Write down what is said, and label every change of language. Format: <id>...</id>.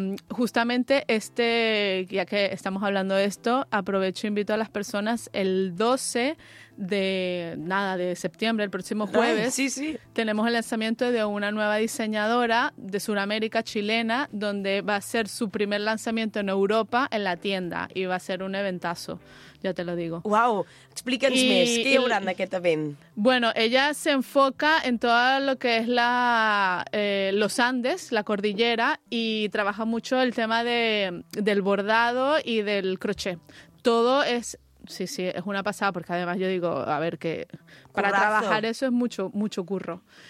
<es>Justamente este, ya que estamos hablando de esto, aprovecho e invito a las personas el 12 de septiembre, el próximo jueves, sí, sí, tenemos el lanzamiento de una nueva diseñadora de Sudamérica, chilena, donde va a ser su primer lanzamiento en Europa en la tienda y va a ser un eventazo, ya te lo digo.</es> <ca>Wow, explica'ns més, què hi haurà en aquest event?</ca> <es>Bueno, ella se enfoca en todo lo que es la los Andes, la cordillera, y trabaja mucho el tema del bordado y del crochet. Todo es... Sí, sí, es una pasada, porque además yo digo, a ver, que para trabajar eso es mucho, mucho curro.</es>